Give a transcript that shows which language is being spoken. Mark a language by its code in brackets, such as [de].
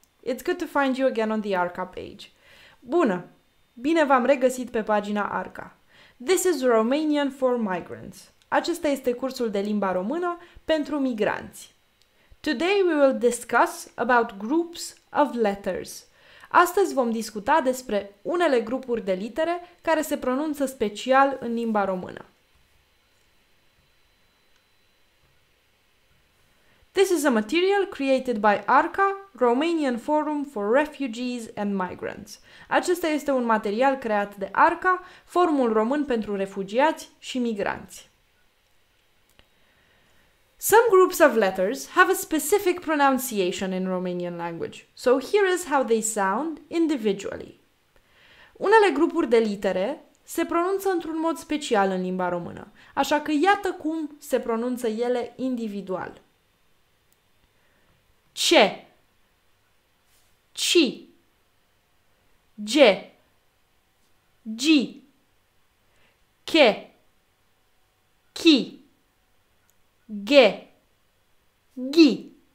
[en] It's good to find you again on the Arca page. [ro] Bună! Bine v-am regăsit pe pagina Arca. [en] This is Romanian for migrants. [ro] Acesta este cursul de limba română pentru migranți. [en] Today we will discuss about groups of letters. [ro] Astăzi vom discuta despre unele grupuri de litere care se pronunță special în limba română. [en] This is a material created by ARCA, Romanian Forum for Refugees and Migrants. [ro] Acesta este un material creat de ARCA, Forumul Român pentru Refugiați și Migranți. [en] Some groups of letters have a specific pronunciation in Romanian language, so here is how they sound individually. [ro] Unele grupuri de litere se pronunță într-un mod special în limba română, așa că iată cum se pronunță ele individual. Ce, ci, ge, gi, che, chi, ge, ghi.